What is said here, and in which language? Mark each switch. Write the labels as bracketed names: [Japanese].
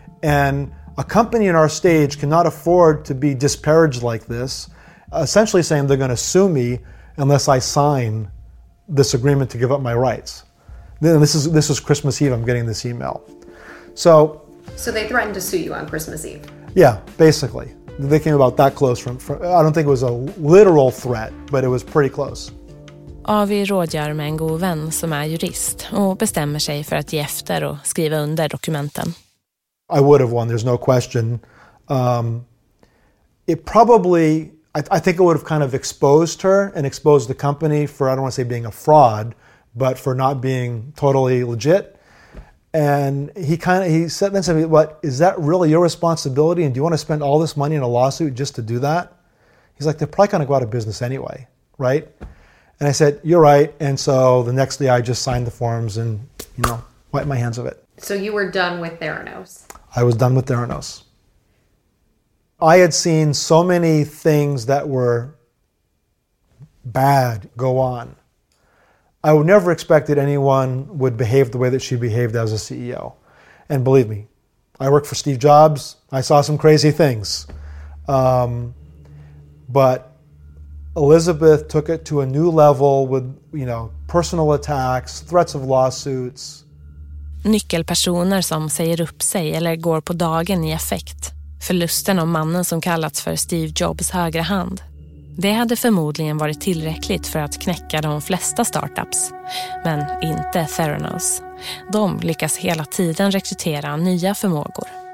[English] And a company in our stage cannot afford to be disparaged like this, essentially saying they're going to sue me unless I sign this agreement to give up my rights. Then this is Christmas Eve, I'm getting this email. So they threatened to sue you on Christmas Eve? Yeah, basically. They came about that close from I don't think it was a literal threat, but it was pretty close. [Swedish] AV rådgör med en god vän som är jurist och bestämmer sig för att ge efter och skriva under dokumenten. [English] I would have won, there's no question. I think it would have kind of exposed her and exposed the company for, I don't want to say being a fraud, but for not being totally legit. And he said to me, what, is that really your responsibility? And do you want to spend all this money in a lawsuit just to do that? He's like, they're probably going to go out of business anyway, right? And I said, you're right. And so the next day I just signed the forms and, you know, wiped my hands of it. So you were done with Theranos? I was done with Theranos. I had seen so many things that were bad go on. I would never expect that anyone would behave the way that she behaved as a CEO. And believe me, I worked for Steve Jobs. I saw some crazy things. But Elizabeth took it to a new level with, you know, personal attacks, threats of lawsuits. [Swedish] Nyckelpersoner som säger upp sig eller går på dagen i affekt. Förlusten av mannen som kallats för Steve Jobs högra hand. Det hade förmodligen varit tillräckligt för att knäcka de flesta startups. Men inte Theranos. De lyckas hela tiden rekrytera nya förmågor.